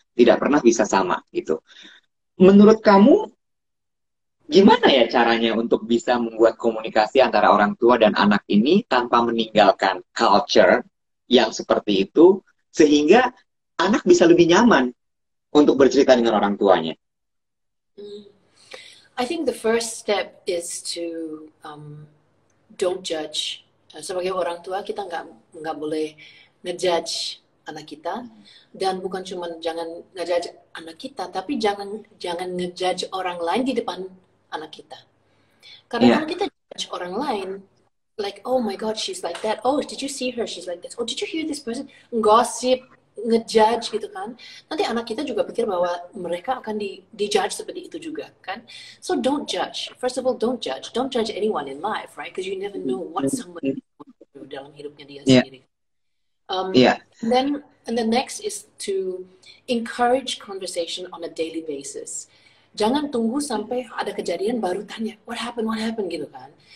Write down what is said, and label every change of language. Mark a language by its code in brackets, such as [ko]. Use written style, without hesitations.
[id] Tidak pernah bisa sama, gitu. Menurut kamu, gimana ya caranya untuk bisa membuat komunikasi antara orang tua dan anak ini tanpa meninggalkan culture yang seperti itu, sehingga anak bisa lebih nyaman untuk bercerita dengan orang tuanya? [en] I think the first step is to don't judge. [id] Sebagai orang tua, kita nggak boleh ngejudge anak kita, dan bukan cuma jangan ngejudge anak kita, tapi jangan ngejudge orang lain di depan anak kita. Karena kalau kita judge orang lain, [en] like, oh my God, she's like that. Oh, did you see her? She's like this. Oh, did you hear this person? [id] Gossip, ngejudge gitu kan. Nanti anak kita juga pikir bahwa mereka akan di-judge seperti itu juga, kan. [en] So don't judge. First of all, don't judge. Don't judge anyone in life, right? Because you never know what somebody is going through [id] dalam hidupnya dia sendiri. [en] And then the next is to encourage conversation on a daily basis. [id] Jangan tunggu sampai ada kejadian baru tanya, [en] what happened [id] gitu kan.